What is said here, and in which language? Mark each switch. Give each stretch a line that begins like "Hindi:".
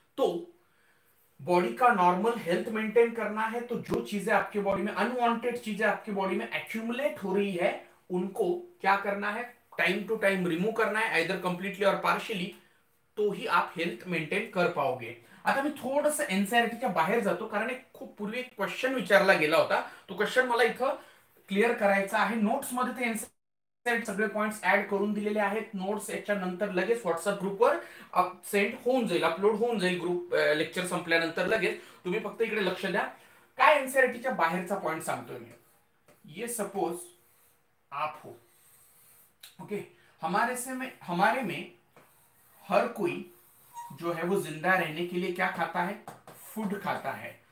Hindi: तो बॉडी का normal health maintain करना है तो जो चीजें आपके बॉडी में अनवांटेड चीजें आपके बॉडी में एक्यूमुलेट हो रही है उनको क्या करना है, टाइम टू टाइम रिमूव करना है, आइदर कंप्लीटली और पार्शियली, तो ही आप हेल्थ मेंटेन कर पाओगे।
Marathi: आता मैं थोड़ा सा एन्झायटी का बाहेर जातो, कारण एक खूप पूर्वी एक क्वेश्चन विचारला गेला होता, तो क्वेश्चन मला इथं क्लियर करायचा आहे। नोट्स मध्ये ते एन्झायटी सगळे पॉइंट्स ऍड करून दिलेले आहेत, नोट्स याच्या नंतर लगेच व्हॉट्सअप ग्रुपवर सेंड होऊन जाईल, अपलोड होऊन जाईल ग्रुप लेक्चर संपल्यानंतर लगेच। तुम्ही फक्त इकडे लक्ष द्या, काय एन्झायटीच्या बाहेरचा पॉइंट सांगतोय मी,
Hindi: ये सपोज आप हो, ओके, हमारे में हर कोई जो है वो जिंदा रहने के लिए क्या खाता है, फूड खाता है।